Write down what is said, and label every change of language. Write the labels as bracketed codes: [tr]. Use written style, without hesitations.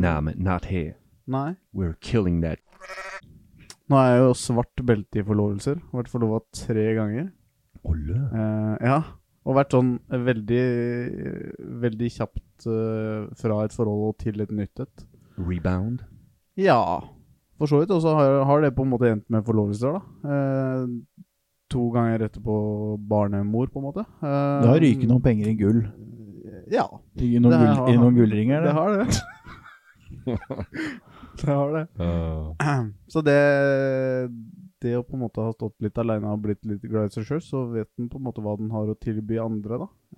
[no] Nei, men [en] not here. [no] Nei. [en] We're killing that. [no] Nå er jeg jo svart belte i forlovelser. Jeg har vært forlovet 3 ganger. Olle. Ja, og vært sånn veldig, veldig kjapt fra et forhold til et nyttet. Rebound? Ja, for så vidt. Og så har det på en måte endt med forlovelser da. 2 ganger etterpå barnemor på en måte. Du har ryket noen penger i gull. Ja. I noen gullringer da. Det har det. Det har det. Så det å på en måte ha stått litt alene og blitt litt glad i seg selv, så vet den på en måte hva den har å tilby andre da.